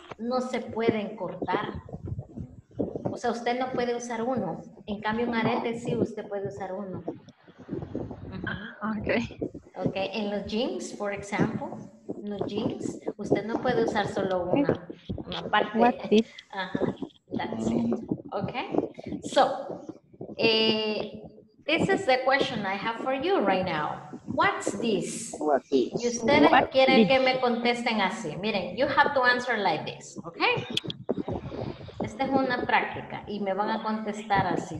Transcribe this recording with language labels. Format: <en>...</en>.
<es>No se pueden cortar. O sea, usted no puede usar uno. En cambio, un arete sí, usted puede usar uno. Okay. Okay. En los jeans, por ejemplo, en los jeans, usted no puede usar solo una parte.</es> <en>What is? That's it. Okay, so this is the question I have for you right now. What's this? What's this?</en> <es>Y ustedes what quieren this? Que me contesten así.</es> <en>Miren, you have to answer like this, okay?</en> <es>Esta es una práctica y me van a contestar así.</es>